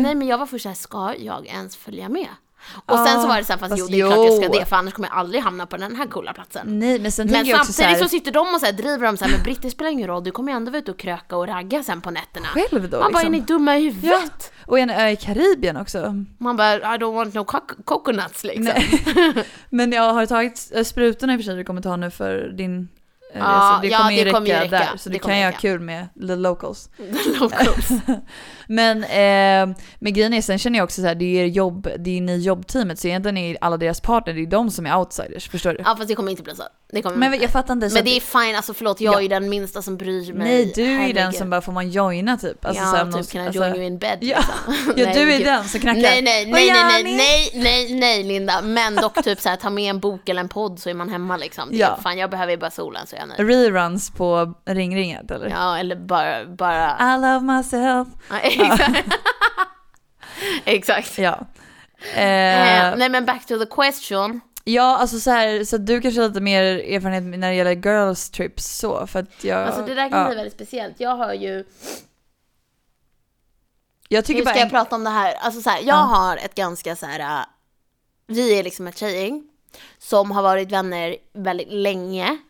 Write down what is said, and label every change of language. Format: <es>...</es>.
<sv>Nej, men jag var först så här, ska jag ens följa med? Och sen så var det så här, fast jo, det är klart jag ska det, för annars kommer jag aldrig hamna på den här coola platsen. Nej, men sen tänker jag också så här, så sitter de och så här, driver dem så här, men Britt, det spelar ingen roll, du kommer ju ändå vara ute och kröka och ragga sen på nätterna. Själv då, man bara, är ni dumma i huvudet? Ja. Och en ö i Karibien också. Man bara,</sv> <en>I don't want no coconuts</en> <sv>liksom. Nej. Men jag har tagit sprutorna i och för sig, du kommer ta nu för din. Ja, det kommer ju räcka där. Så det kan jag ha kul med</sv> <en>the locals. The locals.</en> <sv>Men med grejen är, sen känner jag också så här, det är jobb, det är ni jobbteamet, så egentligen är alla deras partner, det är de som är outsiders, förstår du? Ja, fast det kommer inte bli så. Det kommer, men jag fattar inte. Men det är fine, alltså förlåt, jag är ju den minsta som bryr mig. Nej, du är den som bara, får man joina typ? Alltså, ja, så här, typ, kan jag</sv> <en>join you in bed?</en> <sv>Ja, ja, du är den som knackar. Nej, Linda. Men dock typ så här, ta med en bok eller en podd så är man hemma liksom. Det är, ja. Fan, jag behöver ju bara solen så jag är nöjd. Reruns på ringringet eller? Ja, eller bara...</sv> <en>I love myself.</en> <sv>Exakt. Ja. Nej, men</sv> <en>back to the question.</en> <sv>Ja, alltså så här, så du kanske har lite mer erfarenhet när det gäller</sv> <en>girls trips</en> <sv>så, för att jag, alltså det där kan bli väldigt speciellt. Jag har ju, jag tycker, hur ska jag prata om det här? Alltså så här, jag har ett ganska så här, vi är liksom ett tjejgäng som har varit vänner väldigt länge.</sv>